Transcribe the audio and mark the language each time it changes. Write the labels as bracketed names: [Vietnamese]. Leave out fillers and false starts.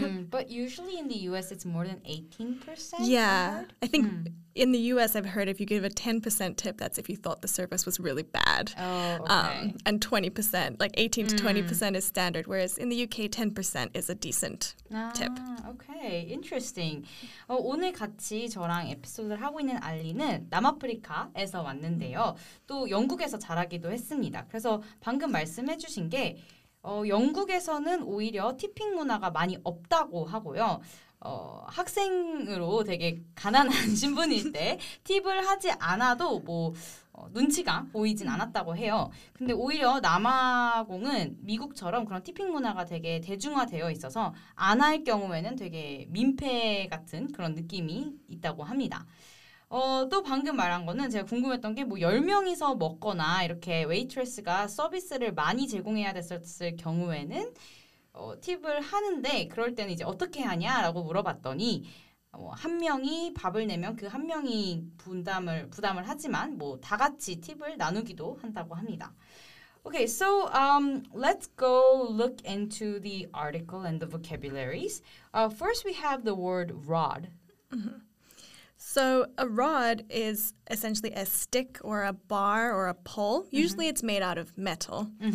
[English] But usually in the US, it's more than 18%? Yeah, I think... In the U.S., I've heard if you give a 10% tip, that's if you thought the service was really bad. Oh, okay. And 20%, like 18 to 20% is standard, whereas in the U.K., 10% is a decent tip. Okay, interesting. [Korean] 오늘 같이 저랑 에피소드를 하고 있는 알리는 남아프리카에서 왔는데요. 또 영국에서 자라기도 했습니다. 그래서 방금 말씀해 주신 게 영국에서는 오히려 티핑 문화가 많이 없다고 하고요. 학생으로 되게 가난한 신분일 때 팁을 하지 않아도 뭐 눈치가 보이진 않았다고 해요. 근데 오히려 남아공은 미국처럼 그런 티핑 문화가 되게 대중화되어 있어서 안 할 경우에는 되게 민폐 같은 그런 느낌이 있다고 합니다. 또 방금 말한 거는 제가 궁금했던 게 뭐 10명이서 먹거나 이렇게 웨이트레스가 서비스를 많이 제공해야 됐었을 경우에는 팁을 하는데 그럴 때는 이제 어떻게 하냐라고 물어봤더니 한 명이 밥을 내면 그 한 명이 부담을 하지만 뭐 다 같이 팁을 나누기도 한다고 합니다. [English] Okay, so let's go look into the article and the vocabularies. First, we have the word rod. So a rod is essentially a stick or a bar or a pole. Usually, it's made out of metal.